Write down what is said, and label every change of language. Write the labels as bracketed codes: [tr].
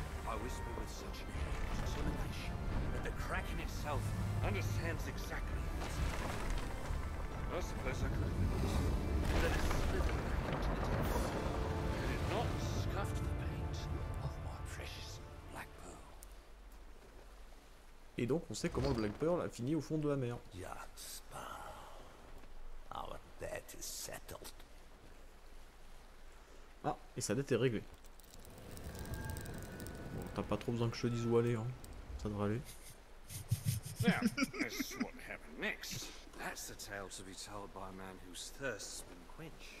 [en] I whisper with such determination that the Kraken itself understands exactly what's happening. I suppose I could have been that it slithered back into the depths, had it not scuffed the paint of my precious Black Pearl. [fr] Et donc on sait comment le Black Pearl a fini au fond de la mer. [en] Our debt is settled. [fr] Ah, et sa dette est réglée. T'as pas trop besoin que je te dise où aller, hein. Ça devrait aller. [en] Now, this is what happened next. That's the tale to be told by a man whose thirst has been quenched.